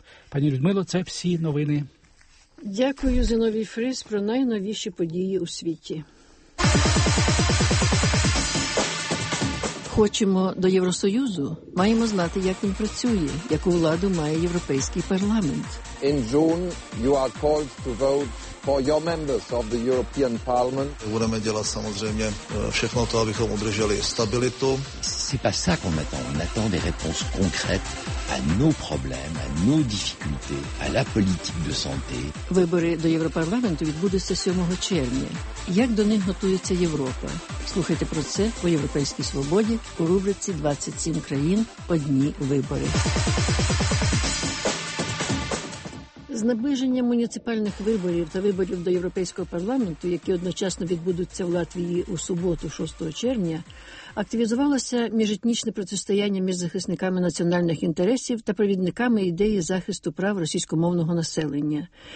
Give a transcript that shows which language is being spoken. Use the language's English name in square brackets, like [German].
[Ukrainian] Пані Людмило, це всі новини. Дякую, Зіновій Фріз, про найновіші події у світі. хочемо до Євросоюзу, маємо знати, як він працює, яку владу має Європейський парламент. [English] In June you are called to vote for your members of the European Parliament. [Czech] Budeme dělat samozřejmě všechno to, abychom udrželi stabilitu. [French] C'est pas ça qu'on attend. On attend des réponses concrètes à nos problèmes, à nos difficultés, à la politique de santé. [Ukrainian] Вибори до Європарламенту відбудуться 7 червня. Як до них готується Європа? Слухайте про це у Європейській свободі у рубриці «27 країн. Одні вибори». З наближенням муніципальних виборів та виборів до Європейського парламенту, які одночасно відбудуться в Латвії у суботу, 6 червня, активізувалося міжетнічне протистояння між захисниками національних інтересів та провідниками ідеї захисту прав російськомовного населення.